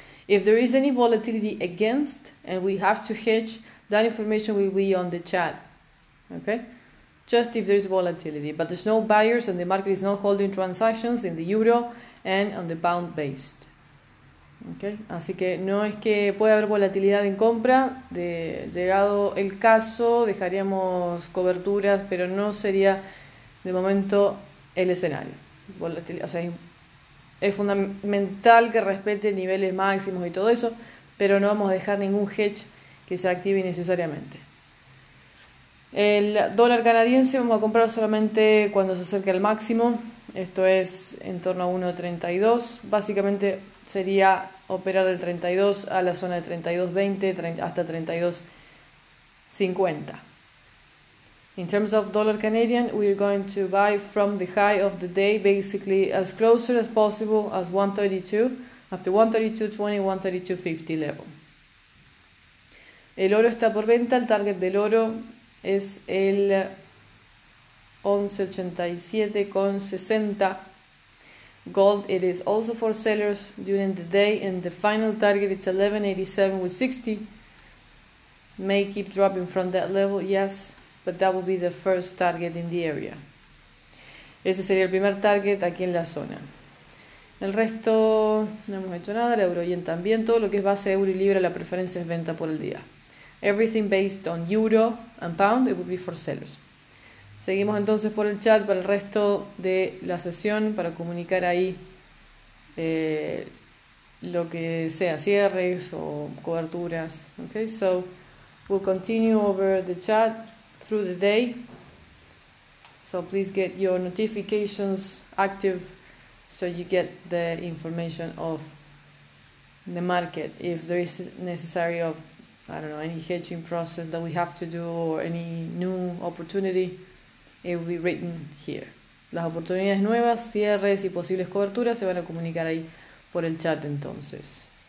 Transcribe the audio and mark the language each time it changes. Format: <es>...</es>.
<en>If there is any volatility against and we have to hedge, that information will be on the chat. Okay? Just if there's volatility. But there's no buyers and the market is not holding transactions in the euro and on the pound based. Okay?</en> <es>Así que no es que pueda haber volatilidad en compra. De llegado el caso, dejaríamos coberturas, pero no sería de momento el escenario. Volatilidad, o sea, es fundamental que respete niveles máximos y todo eso, pero no vamos a dejar ningún hedge que se active innecesariamente. El dólar canadiense vamos a comprar solamente cuando se acerque al máximo, esto es en torno a 1.32. Básicamente sería operar del 32 a la zona de 32.20 hasta 32.50.</es> <en>In terms of dollar Canadian, we are going to buy from the high of the day, basically as closer as possible as 132, after 132.20, 132.50 level.</en> <es>El oro está por venta, el target del oro es el 1187.60.</es> <en>Gold, it is also for sellers during the day, and the final target is 1187.60. May keep dropping from that level, yes. But that will be the first target in the area.</en> <es>Ese sería el primer target aquí en la zona. El resto no hemos hecho nada, el euro yen también, todo lo que es base euro y libra, la preferencia es venta por el día.</es> <en>Everything based on euro and pound, it will be for sellers.</en> <es>Seguimos entonces por el chat para el resto de la sesión, para comunicar ahí lo que sea, cierres o coberturas.</es> <en>Okay, so we'll continue over the chat through the day. So please get your notifications active so you get the information of the market. If there is necessary of, I don't know, any hedging process that we have to do or any new opportunity, it will be written here.</en> <es>Las oportunidades nuevas, cierres y posibles coberturas se van a comunicar ahí por el chat entonces.</es>